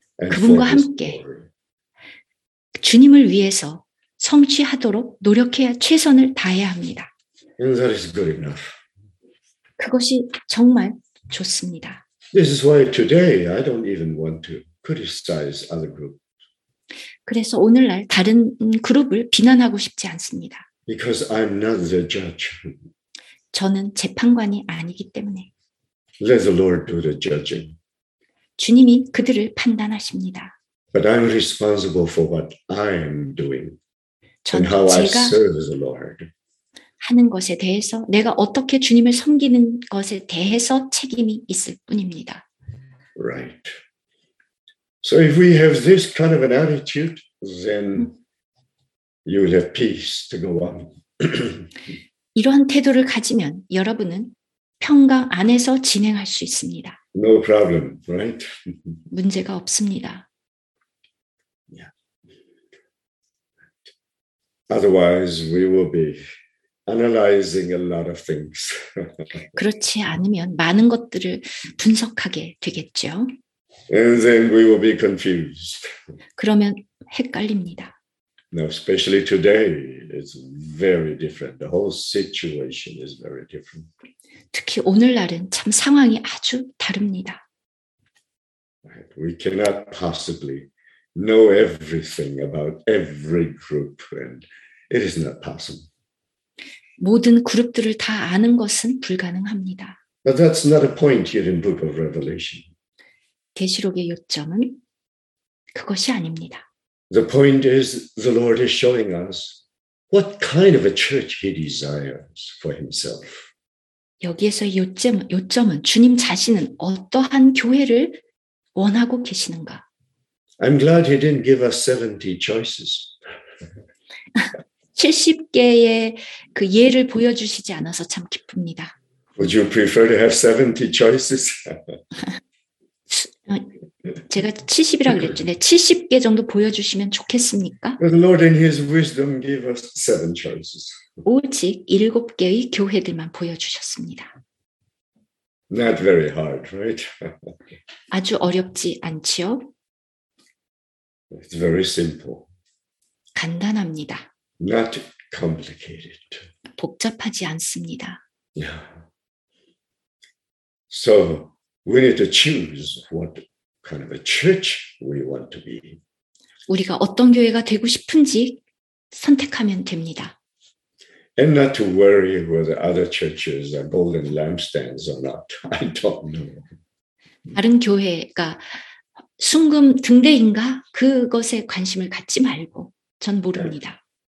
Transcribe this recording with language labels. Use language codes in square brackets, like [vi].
[ko] 그분과 함께 주님을 위해서 성취하도록 노력해야 최선을 다해야 합니다. [en] And that is good enough. [ko] 그것이 정말 좋습니다. [en] This is why today I don't even want to criticize other groups. [ko] 그래서 오늘날 다른 그룹을 비난하고 싶지 않습니다. [en] Because I'm not the judge. [ko] 저는 재판관이 아니기 때문에. [en] Let the Lord do the judging. [ko] 주님이 그들을 판단하십니다. [en] But I'm responsible for what I am doing and how I serve the Lord. [ko] 하는 것에 대해서 내가 어떻게 주님을 섬기는 것에 대해서 책임이 있을 뿐입니다. [en] Right. So if we have this kind of an attitude, then you will have peace to go on. [ko] 이러한 태도를 가지면 여러분은 평강 안에서 진행할 수 있습니다. [en] No problem, right? [ko] 문제가 없습니다. [en] Otherwise, we will be analyzing a lot of things. [ko] 그렇지 않으면 많은 것들을 분석하게 되겠죠. [en] And then we will be confused. [ko] 그러면 헷갈립니다. [en] Now, especially today, it's very different. The whole situation is very different. [ko] 특히 오늘날은 참 상황이 아주 다릅니다. [en] Right. We cannot possibly know everything about every group and it is not possible. [ko] 모든 그룹들을 다 아는 것은 불가능합니다. [en] But that's not a point here in the book of Revelation. [ko] 계시록의 요점은 그것이 아닙니다. [en] The point is the Lord is showing us what kind of a church he desires for himself. [ko] 여기에서의 요점은 주님 자신은 어떠한 교회를 원하고 계시는가? [en] I'm glad he didn't give us 70 choices. [ko] 70개의 그 예를 보여주시지 않아서 참 기쁩니다. [en] Would you prefer to have 70 choices? [ko] 제가 70이라고 그랬죠. 네, 70개 정도 보여주시면 좋겠습니까? [en] But the Lord in his wisdom gave us 7 choices. [ko] 오직 7개의 교회들만 보여주셨습니다. [en] Not very hard, right? [ko] 아주 어렵지 않지요? [en] It's very simple. [ko] 간단합니다. [en] Not complicated. [ko] 복잡하지 않습니다. [en] Yeah. So we need to choose what kind of a church we want to be. [ko] 우리가 어떤 교회가 되고 싶은지 선택하면 됩니다. [en] And not to worry whether other churches are golden lampstands or not. I don't know. [ko] 다른 교회가 순금 등대인가 그것에 관심을 갖지 말고 전 모릅니다.